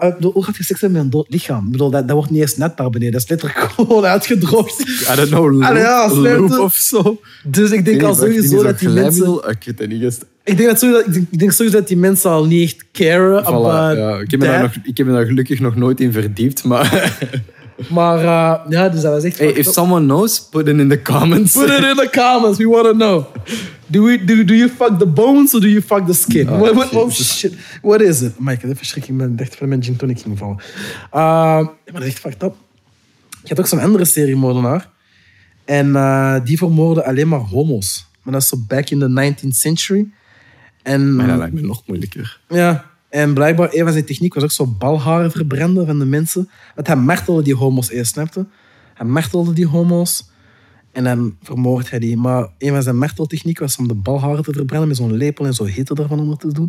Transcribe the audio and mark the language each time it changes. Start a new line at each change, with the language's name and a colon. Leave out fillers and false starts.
Dutch: Bedoel, hoe gaat je seks hebben met een dood lichaam? Bedoel, dat wordt niet eens net daar beneden. Dat is letterlijk gewoon uitgedroogd.
English: I don't know,
Dutch: loop of zo. Dus ik denk al sowieso dat die mensen... Ik denk sowieso dat die mensen al niet echt caren. Voilà, about ja, ik heb me daar gelukkig nog nooit in verdiept, maar... Maar, ja, dus dat was echt...
English: Hey, if someone knows, put it in the comments. Put it in the comments, we want to know. Do you fuck the bones or do you fuck the skin? Oh, shit. What is it?
Dutch: Mike, dat verschrikking, ik dacht van mijn gin tonic ging vallen. Maar dat is echt fucked up. Je had ook zo'n andere seriemoordenaar. En die vermoordde alleen maar homo's. Maar dat is zo
English: back in the 19th century.
Dutch: En, maar dat lijkt me nog moeilijker. Ja. En blijkbaar, een van zijn techniek was ook zo balharen verbranden van de mensen. Want hij martelde die homo's eerst, snapte. Hij martelde die homo's en dan vermoord hij die. Maar een van zijn marteltechnieken was om de balharen te verbranden met zo'n lepel en zo hitte ervan onder te doen.